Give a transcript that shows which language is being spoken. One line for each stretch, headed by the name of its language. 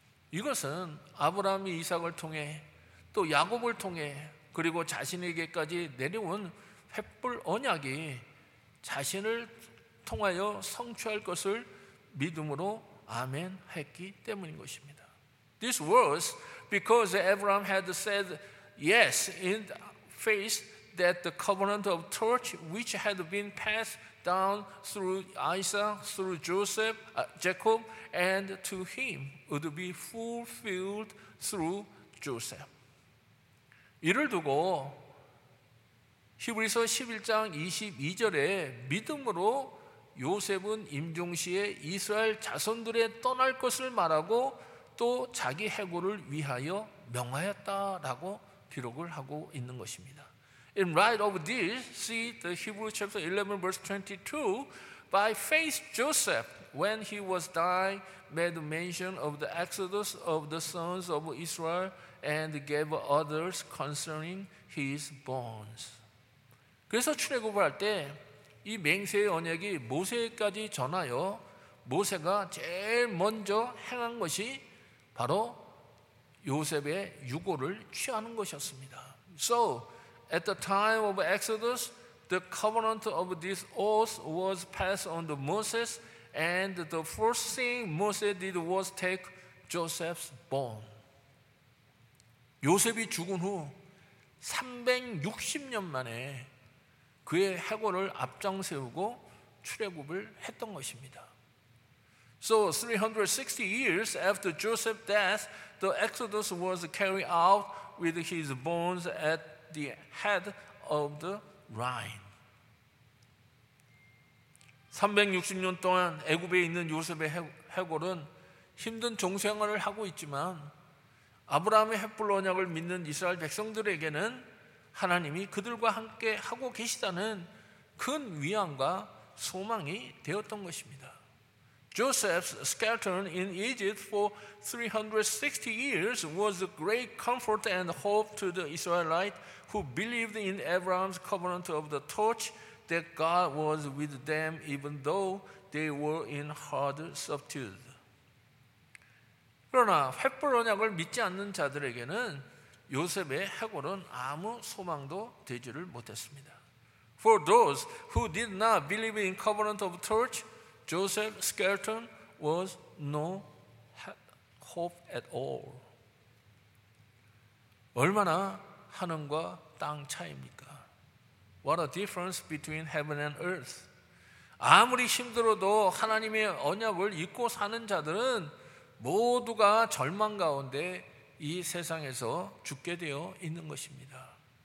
Korean: 이것은 아브라함이 이삭을 통해 또 야곱을 통해 그리고 자신에게까지 내려온 횃불 언약이 자신을 통하여 성취할 것을 믿음으로 아멘 했기 때문인 것입니다.
English: This was because Abraham had said yes in faith that the covenant of torch which had been passed down through Isaac, through Joseph, Jacob, and to him would be fulfilled through Joseph.
Korean: 이를 두고 히브리서 11장 22절에 믿음으로 요셉은 임종시에 이스라엘 자손들의 떠날 것을 말하고 또 자기 해골을 위하여 명하였다라고 기록을 하고 있는 것입니다.
English: In light of this, see the Hebrews chapter 11 verse 22. By faith Joseph, when he was dying, made mention of the exodus of the sons of Israel and gave others concerning his bones.
Korean: 그래서 출애굽을 할 때 이 맹세의 언약이 모세까지 전하여 모세가 제일 먼저 행한 것이 바로 요셉의 유골을 취하는 것이었습니다.
English: So, at the time of Exodus, the covenant of this oath was passed on to Moses, and the first thing Moses did was take Joseph's bone.
Korean: 요셉이 죽은 후 360년 만에 그의 해골을 앞장세우고 출애굽을 했던 것입니다.
English: So 360 years after Joseph's death, the Exodus was carried out with his bones at the head of the line.
Korean: 360년 동안 애굽에 있는 요셉의 해골은 힘든 종생활을 하고 있지만 아브라함의 횃불 언약을 믿는 이스라엘 백성들에게는 하나님이 그들과 함께 하고 계시다는 큰 위안과 소망이 되었던 것입니다.
English: Joseph's skeleton in Egypt for 360 years was a great comfort and hope to the Israelites who believed in Abraham's covenant of the torch that God was with them even though they were in hard servitude.
Korean: 그러나 횃불 언약을 믿지 않는 자들에게는 요셉의 해골은 아무 소망도 되지를 못했습니다.
English: For those who did not believe in covenant of torch, Joseph's skeleton was no hope at all.
Korean: 얼마나 하늘과 땅 차이입니까?
English: What a difference between heaven and earth.
Korean: 아무리 힘들어도 하나님의 언약을 잊고 사는 자들은 모두가 절망 가운데 이 세상에서 죽게 되어 있는 것입니다.